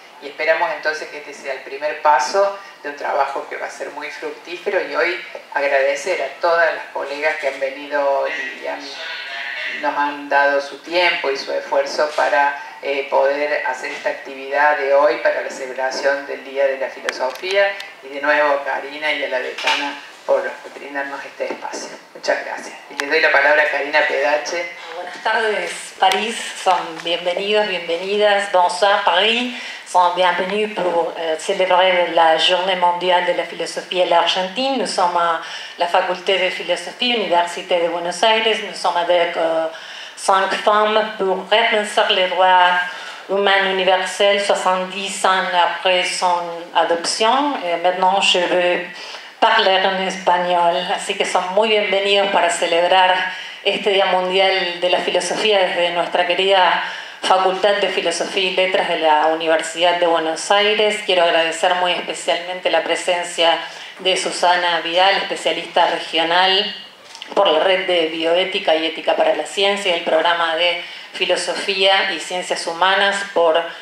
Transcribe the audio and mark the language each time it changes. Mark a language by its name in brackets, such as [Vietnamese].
[Spanish] Y esperamos entonces que este sea el primer paso de un trabajo que va a ser muy fructífero, y hoy agradecer a todas las colegas que han venido y nos han dado su tiempo y su esfuerzo para poder hacer esta actividad de hoy para la celebración del Día de la Filosofía, y de nuevo a Karina y a la decana por brindarnos este espacio. Muchas gracias. Y les doy la palabra a Karina Pedache. Buenas tardes, París. Son bienvenidos, bienvenidas. [French] Bonsoir, París. Sont bienvenus pour célébrer la Journée mondiale de la philosophie à l'Argentine. Nous sommes à la Faculté de philosophie, Université de Buenos Aires. Nous sommes avec 5 femmes pour reconnaître les droits humains universels 70 ans après son adoption. Et maintenant, je veux parler en espagnol. [Spanish] Así que son muy bienvenidos para celebrar este Día Mundial de la Filosofía desde nuestra querida Facultad de Filosofía y Letras de la Universidad de Buenos Aires. Quiero agradecer muy especialmente la presencia de Susana Vidal, especialista regional por la Red de Bioética y Ética para la Ciencia, y el Programa de Filosofía y Ciencias Humanas por